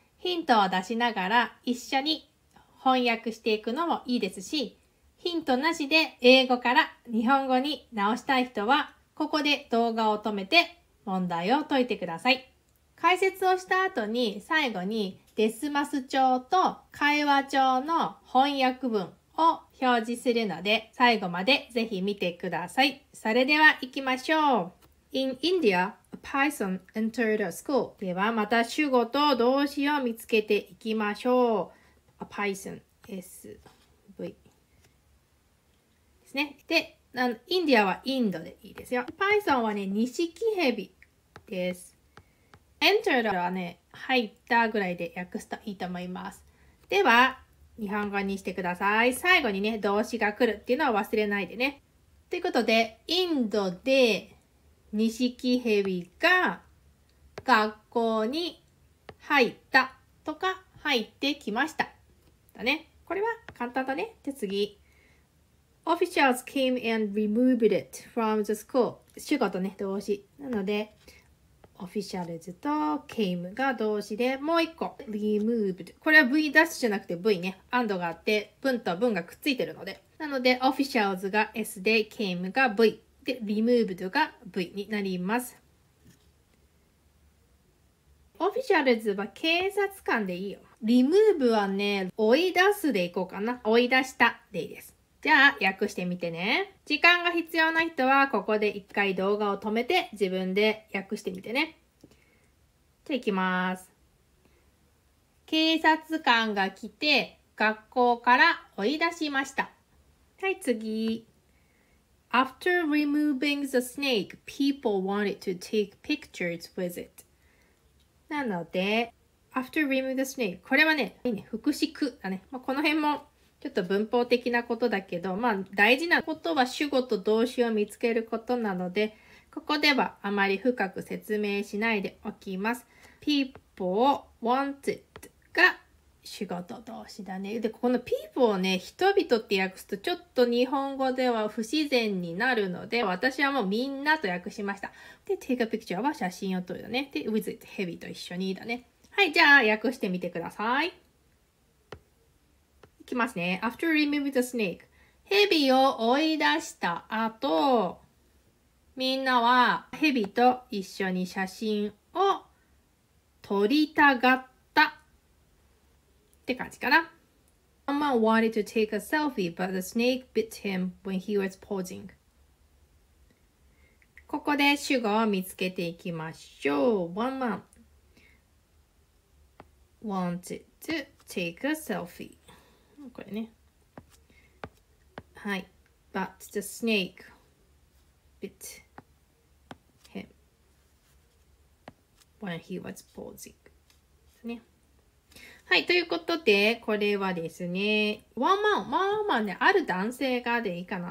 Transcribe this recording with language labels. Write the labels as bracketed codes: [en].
[ja] ヒントを出しながら一緒に翻訳していくのもいいですし、ヒントなしで英語から日本語に直したい人はここで動画を止めて問題を解いてください。解説をした後に最後にデスマス帳と会話帳の翻訳文を表示するので、最後までぜひ見てください。それでは行きましょう。 [en] In India, a python entered a school. [ja] ではまた主語と動詞を見つけていきましょう。 [en] A python, SV [ja] ですね。で、インディアはインドでいいですよ。python はね、ニシキヘビです。 entered はね、入ったぐらいで訳すといいと思います。では日本語にしてください。最後にね、動詞が来るっていうのは忘れないでね。ということで、インドでニシキヘビが学校に入ったとか入ってきました。だね。これは簡単だね。で、次。 [en] Officials came and removed it from the school. [ja] 主語とね、動詞。なので、Officials と came が動詞で、もう一個 removed、 これは V' じゃなくて V ね、 and があって文と文がくっついてるので、なので Officials が S で came が V で removed が V になります。 Officials は警察官でいいよ。remove はね、追い出すでいこうかな。追い出したでいいです。じゃあ訳してみてね。時間が必要な人はここで一回動画を止めて自分で訳してみてね。じゃあ行きます。警察官が来て学校から追い出しました。はい、次。 [en] After removing the snake, people wanted to take pictures with it. [ja] なので、 [en] After removing the snake、 [ja] これはね、いいね、複式だね。まあ、この辺もちょっと文法的なことだけど、まあ大事なことは主語と動詞を見つけることなので、ここではあまり深く説明しないでおきます。 People wanted が主語と動詞だね。で、この People をね、人々って訳すとちょっと日本語では不自然になるので、私はもうみんなと訳しました。で、 [en] Take a picture [ja] は写真を撮るだね。で、 [en] With it、 [ja] ヘビと一緒にだね。はい、じゃあ訳してみてください。いきますね。 [en] After removing the snake、 [ja] ヘビを追い出した後、みんなはヘビと一緒に写真を撮りたがったって感じかな。 [en] Someone wanted to take a selfie, but the snake bit him when he was posing. [ja] ここで主語を見つけていきましょう。 [en] One man wanted to take a selfie. [ja] これね、はい、 [en] But the snake bit him when he was posing、 [ja] ね、はい、ということで、これはですね、ワンマン、ワンマンね、ある男性がでいいかな。